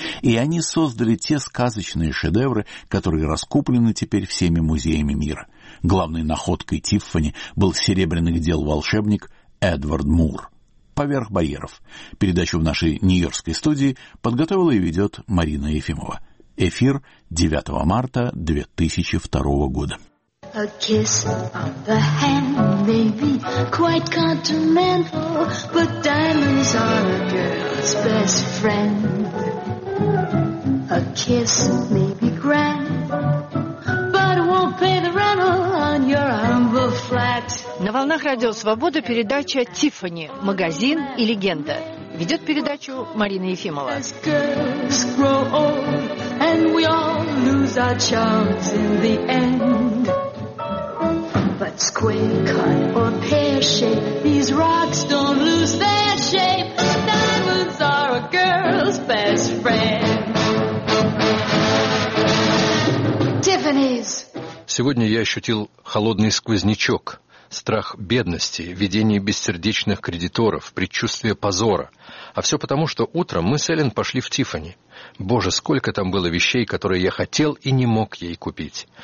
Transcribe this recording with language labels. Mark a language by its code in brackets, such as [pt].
[ru] И они создали те сказочные шедевры, которые раскуплены теперь всеми музеями мира. Главной находкой Тиффани был серебряных дел волшебник Эдвард Мур. «Поверх барьеров». Передачу в нашей нью-йоркской студии подготовила и ведет Марина Ефимова. Эфир 9 марта 2002 года. [en] A kiss on the hand may be quite continental, but diamonds are a girl's best friend. A kiss may be grand, but it won't pay the rental on your humble flat. [ru] На волнах Радио Свобода передача «Тиффани. Магазин и легенда». Ведет передачу Марина Ефимова. [en] As girls grow old, and we all lose our charms in the end. But square cut or pear shape, these rocks don't lose their shape. Diamonds are a girl's best friend. Tiffany's. [ru] Сегодня я ощутил холодный сквознячок. Страх бедности, видение бессердечных кредиторов, предчувствие позора. А все потому, что утром мы с Эллен пошли в Тиффани. Боже, сколько там было вещей, которые я хотел и не мог ей купить.